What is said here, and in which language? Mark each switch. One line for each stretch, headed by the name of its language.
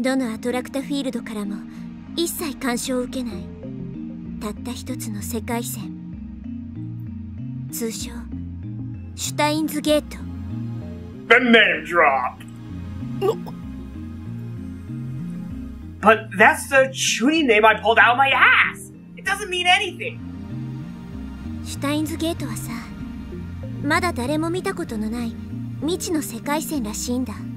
Japanese: どのアトラクタフィールドからも一切干渉を受けない。たった一つの世界線。通称、シュタインズゲート。The
English: name drop! No. But that's the Chuni name I pulled out of my ass! It doesn't mean anything!
Japanese: シュタインズゲートはさ、まだ誰も見たことのない未知の世界線らしいんだ。